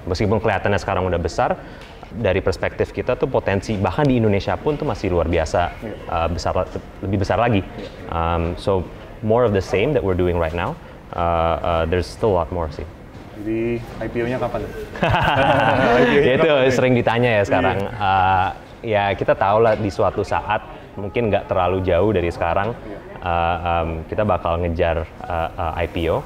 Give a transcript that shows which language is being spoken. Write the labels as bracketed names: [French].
[Indonesian] Meskipun kelihatannya sekarang udah besar, dari perspektif kita tuh potensi bahkan di Indonesia pun tuh masih luar biasa, lebih besar lagi. [English] So more of the same that we're doing right now, there's still a lot more sih. [Indonesian] Jadi IPO-nya kapan? Itu sering ditanya ya sekarang. Ya kita tahu lah di suatu saat, mungkin nggak terlalu jauh dari sekarang, kita bakal ngejar IPO.